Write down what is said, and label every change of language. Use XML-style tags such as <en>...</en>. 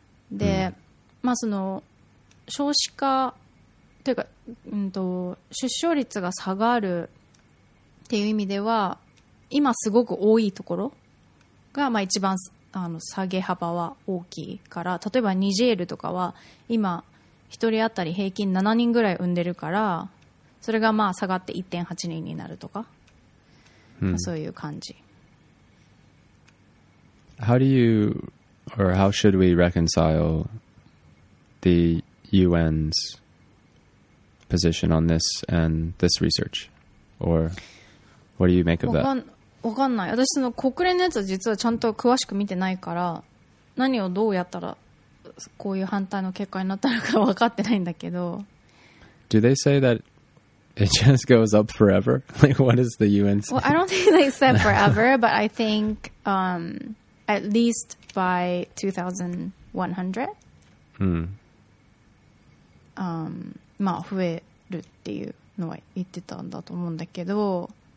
<ja>で、うん、まあ、その少子化というか、出生率が下がるっていう意味では今すごく多いところが、まあ、一番下げ幅は大きいから、例えばニジェールとかは今1人当たり平均7人ぐらい産んでるから、それがまあ下がって 1.8 人になるとか、うん、まあ、そういう感じ。</ja> <en>How do you or how should we reconcile the UN's position on this and this research? Or what do you make of that?</en> <ja>わかんない。私その国連のやつは実はちゃんと詳しく見てないから、何をどうやったらこういう反対の結果になったのか分かってないんだけど。</ja> <en>Do they say that it just goes up forever? Like, what is the UN saying? Well, I don't think they said forever, but I think at least by 2100.</en> <ja>まあ増えるっていうのは言ってたんだと思うんだけど。</ja>